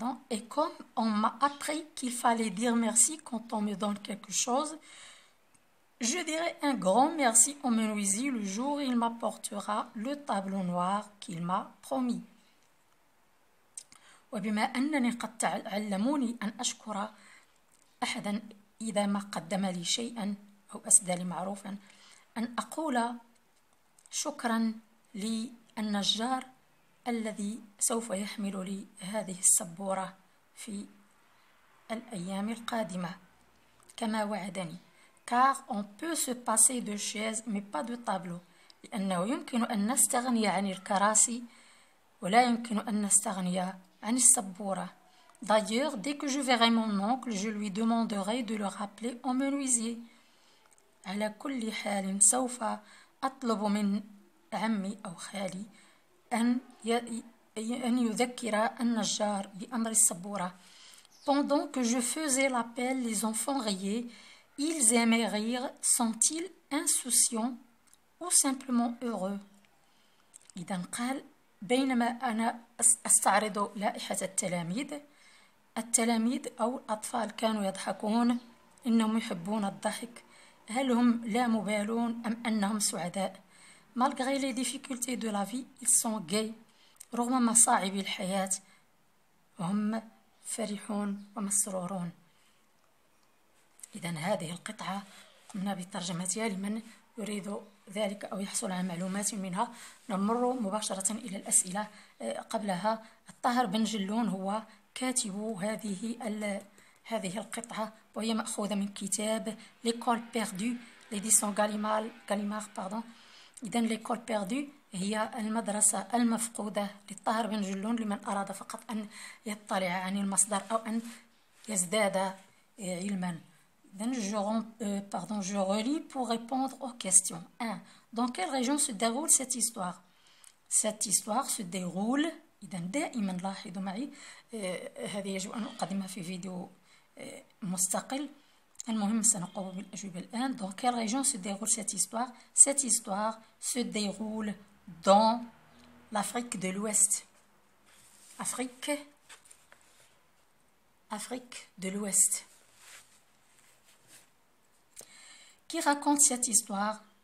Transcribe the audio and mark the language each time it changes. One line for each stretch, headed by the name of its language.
French: Et comme on m'a appris qu'il fallait dire merci quand on me donne quelque chose, je dirai un grand merci au menuisier le jour où il m'apportera le tableau noir qu'il m'a promis.
Arabic: وبما أنني قد علموني أن أشكر أحدا إذا ما قدم لي شيئا أو أسدى لي معروفا أن أقول شكرا للنجار الذي سوف يحمل لي هذه السبورة في الأيام القادمة كما وعدني.
French: Car on peut se passer de chaise mais pas de tableau.
Arabic: لأنه يمكن أن نستغني عن الكراسي ولا يمكن أن نستغني عن السبورة.
French: D'ailleurs, dès que je verrai mon oncle, je lui demanderai de le rappeler au menuisier.
Arabic: على كل حال سوف أطلب من عمي أو خالي أن يذكر النجار بأمر السبورة.
French: Pendant que je faisais l'appel, les enfants riaient. Ils aimaient rire. Sont-ils insouciants ou simplement heureux?
Arabic: إذن قال بينما أنا أستعرض لائحة التلاميذ، التلاميذ أو الأطفال كانوا يضحكون، إنهم يحبون الضحك، هل هم لا مبالون أم أنهم سعداء؟
French: Malgré les difficultés de la vie, ils sont gais.
Arabic: رغم مصاعب الحياة، هم فرحون ومسرورون. إذن هذه القطعة قمنا بترجمتها لمن يريد ذلك أو يحصل على معلومات منها. نمر مباشرة إلى الأسئلة. قبلها الطاهر بن جلون هو كاتب هذه القطعة وهي مأخوذة من كتاب L'école perdue لإديسون غاليمار pardon. إذن L'école perdue هي المدرسة المفقودة للطاهر بن جلون لمن أراد فقط أن يطلع عن المصدر أو أن يزداد علما.
French: Then je relis pour répondre aux questions. 1. Dans quelle région se déroule cette histoire? Cette histoire se déroule.
Arabic: إذن دائما لاحظوا معي هذه يجب أن أقدمها في فيديو مستقل. المهم سنقوم بالأجوبة الآن.
French: Dans quelle région se déroule cette histoire? Cette histoire se déroule dans l'Afrique de l'Ouest. Afrique de l'Ouest. Qui raconte cette histoire?